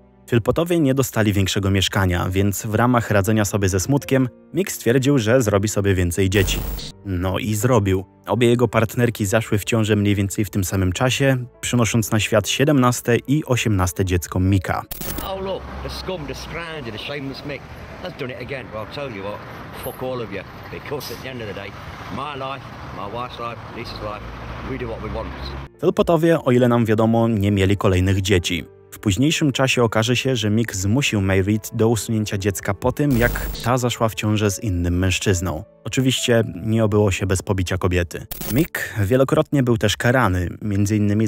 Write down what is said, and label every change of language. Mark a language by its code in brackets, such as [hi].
[pl] Philpottowie nie dostali większego mieszkania, więc w ramach radzenia sobie ze smutkiem, Mick stwierdził, że zrobi sobie więcej dzieci. No i zrobił. Obie jego partnerki zaszły w ciążę mniej więcej w tym samym czasie, przynosząc na świat 17 i 18 dziecko Micka. [en] Oh look, the scum, the scrounger, the shameless Mick has done it again, but I'll tell you what, fuck all of you, because at the end of the day, my life, my wife's life, Lisa's life, we do what we want. [pl] Philpottowie, o ile nam wiadomo, nie mieli kolejnych dzieci. W późniejszym czasie okaże się, że Mick zmusił Merritt do usunięcia dziecka po tym, jak ta zaszła w ciążę z innym mężczyzną. Oczywiście nie obyło się bez pobicia kobiety. Mick wielokrotnie był też karany, m.in.